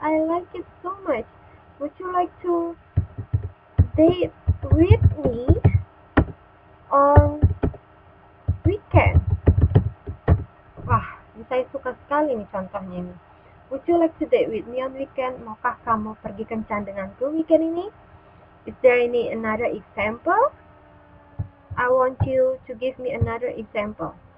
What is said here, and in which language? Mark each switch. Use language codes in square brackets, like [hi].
[en] I like it so much. Would you like to date with me on weekend? [id] Wah, saya suka sekali nih contohnya ini. [en] Would you like to date with me on weekend? [id] Maukah kamu pergi kencan denganku weekend ini? [en] Is there any another example? I want you to give me another example.